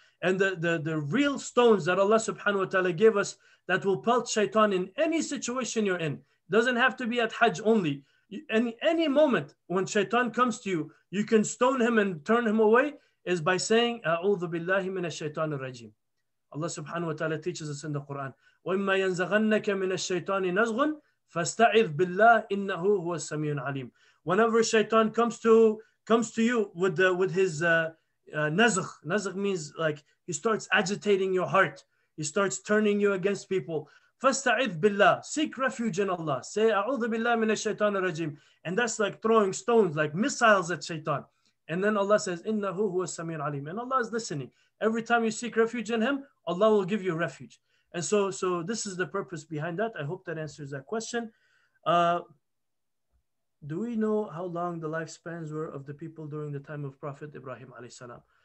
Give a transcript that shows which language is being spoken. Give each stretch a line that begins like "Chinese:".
English: And the real stones that Allah subhanahu wa ta'ala gave us that will pelt shaitan in any situation you're in, doesn't have to be at Hajj only. In any moment when shaitan comes to you, you can stone him and turn him away is by saying,
Arabic: A'udhu billahi minash shaitan ar-rajim. Allah subhanahu wa ta'ala teaches us in the Quran, وَإِمَّا يَنْزَغَنَّكَ مِنَ الشَّيْطَانِ نَزْغٌ فَاسْتَعِذْ بِاللَّهِ إِنَّهُ هُوَ السَّمِيعُ الْعَلِيمُ.
English: Whenever shaitan comes to you with his nazgh means like he starts agitating your heart, he starts turning you against people.
Arabic: فَاسْتَعِذْ بِاللَّهِ,
English: seek refuge in Allah.
Arabic: Say, أَعُوذُ بِاللَّهِ مِنَ الشَّيْطَانِ الرَّجِيمِ.
English: And that's like throwing stones, like missiles at shaitan. And then Allah says,
Arabic: إِنَّهُ هُوَ السَّمِيعُ الْعَلِيمُ.
English: And Allah is listening. Every time you seek refuge in Him, Allah will give you refuge. And so this is the purpose behind that. I hope that answers that question. Do we know how long the lifespans were of the people during the time of Prophet Ibrahim alayhi salam?